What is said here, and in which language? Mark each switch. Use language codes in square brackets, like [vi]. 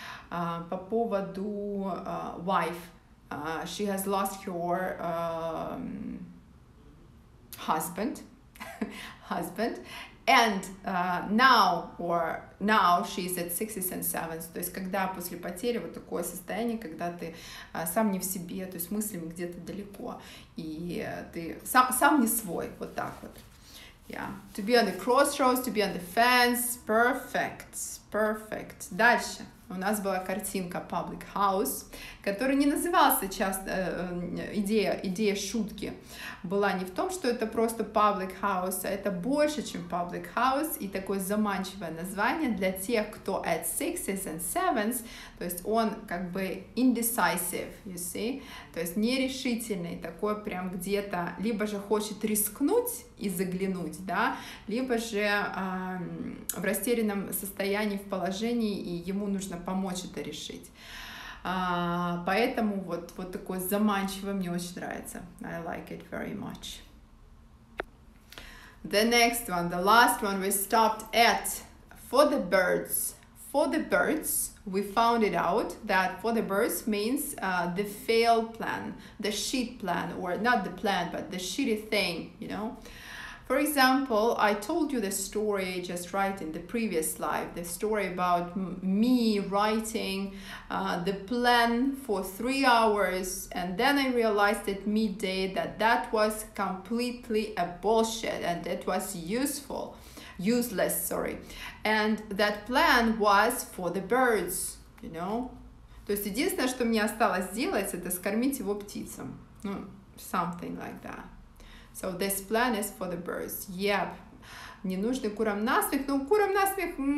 [ru] По поводу [en] wife, she has lost her husband, and now she is at sixes and sevens. [ru] То есть когда после потери вот такое состояние, когда ты сам не в себе, то есть мыслями где-то далеко, и ты сам не свой, вот так вот. [en] Yeah, to be on the crossroads, to be on the fence, perfect. [ru] Дальше. У нас была картинка Public House, который не назывался часто, идея шутки была не в том, что это просто Public House, а это больше, чем Public House, и такое заманчивое название для тех, кто [en] at sixes and sevens, [ru] то есть он как бы [en] indecisive, you see, [ru] то есть нерешительный, такой прям где-то, либо же хочет рискнуть и заглянуть, да, либо же в растерянном состоянии, в положении, и ему нужно помочь это решить. Поэтому вот такое заманчивое мне очень нравится. [en] I like it very much. The next one, the last one we stopped at. For the birds. For the birds, we found it out that for the birds means the fail plan, the shit plan, or not the plan, but the shitty thing, you know. For example, I told you the story just right in the previous slide, the story about me writing the plan for 3 hours, and then I realized at midday that was completely a bullshit and it was useless, sorry. And that plan was for the birds, you know? [ru] То есть единственное, что мне осталось сделать, это скормить его птицам. Ну, [en] something like that. So this plan is for the birds. Yep. [ru] Не нужны курам насмех, но курам насмех...